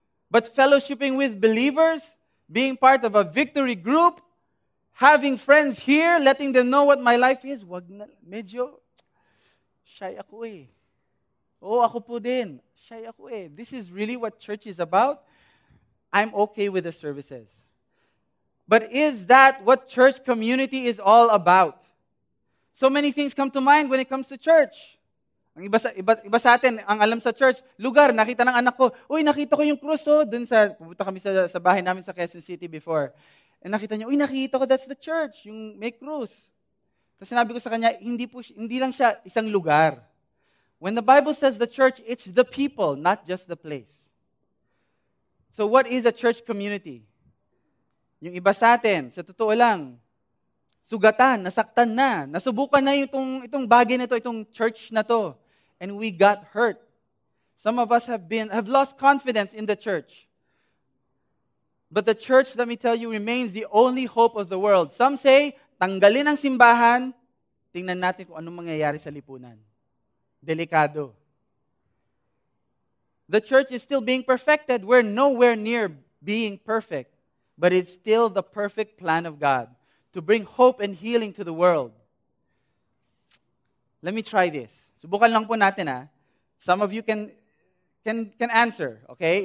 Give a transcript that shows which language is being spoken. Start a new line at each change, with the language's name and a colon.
English: But fellowshipping with believers, being part of a Victory group, having friends here, letting them know what my life is,
Filipino: wag na, medyo shy ako eh.
English: Oh, ako po din. Shy ako eh. This is really what church is about. I'm okay with the services. But is that what church community is all about? So many things come to mind when it comes to church.
Filipino: Ang iba sa atin, ang alam sa church, lugar, nakita ng anak ko, uy, nakita ko yung cross, oh, dun sa, pumunta kami sa bahay namin sa Quezon City before. And nakita niya, uy, nakita ko,
English: that's the church,
Filipino: yung may cross. Tapos sinabi ko sa kanya, hindi lang siya isang lugar.
English: When the Bible says the church, it's the people, not just the place. So what is a church community?
Filipino: Yung iba sa atin, sa totoo lang, sugatan, nasaktan na, nasubukan na itong bagay na ito, itong church na to,
English: and we got hurt. Some of us have lost confidence in the church. But the church, let me tell you, remains the only hope of the world.
Filipino: Some say, tanggalin ang simbahan, tingnan natin kung anong mangyayari sa lipunan. Delikado.
English: The church is still being perfected. We're nowhere near being perfect. But it's still the perfect plan of God to bring hope and healing to the world. Let me try this.
Filipino: Subukan lang po natin, ha?
English: Some of you can answer, okay?